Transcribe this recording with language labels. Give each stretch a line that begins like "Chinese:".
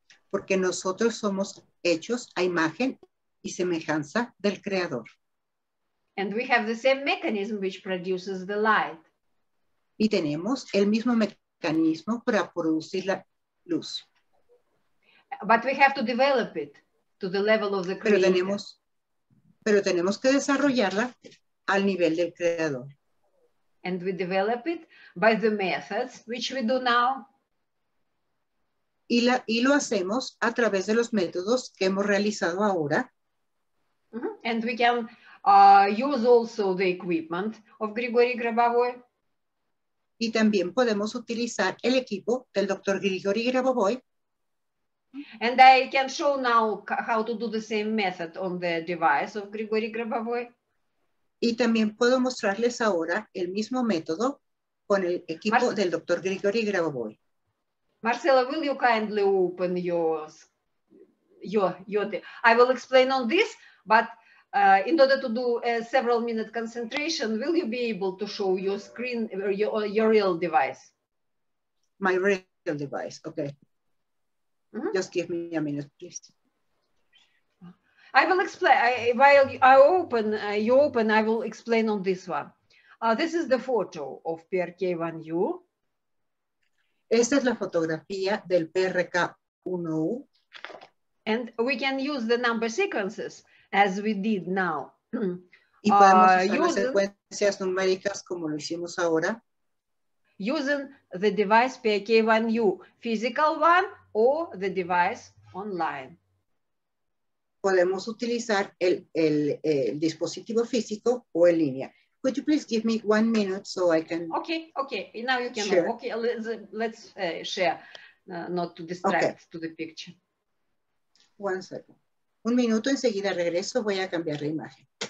Spanish: Porque nosotros somos hechos a imagen y semejanza del creador.
English: And we have the same mechanism which produces the light.
Spanish: Y tenemos el mismo mecanismo para producir la luz.
English: But we have to develop it to the level of the creator.
Spanish: Pero tenemos que desarrollarla al nivel del creador.
English: And we develop it by the methods which we do now.
Spanish: Y lo hacemos a través de los métodos que hemos realizado ahora. Mm-hmm.
English: And we can use also the equipment of Grigori Grabovoi.
Spanish: Y también podemos utilizar el equipo del Dr. Grigori Grabovoi.
English: And I can show now how to do the same method on the device of Grigori Grabovoi.
Spanish: Y también puedo mostrarles ahora el mismo método con el equipo del Dr. Grigori Grabovoi.
English: Marcela, will you kindly open I will explain on this, but in order to do a several minute concentration, will you be able to show your screen, your real device? My real device, okay. Mm-hmm. Just give me a minute, please. I will explain, while you open, I will explain on this one. This is the photo of PRK1U.
Spanish: Esta es la fotografía del PRK1U.
English: And we can use the number sequences as we did now.
Spanish: Y podemos usar las secuencias numéricas como lo hicimos ahora.
English: Using the device PRK1U, physical one or the device online.
Spanish: Podemos utilizar el dispositivo físico o en línea.
English: Could you please give me 1 minute so I can... Okay. Now you can... Share. Okay, let's share, not to distract okay. To the picture. 1 second.
Spanish: 1 minuto, enseguida regreso, voy a cambiar la imagen.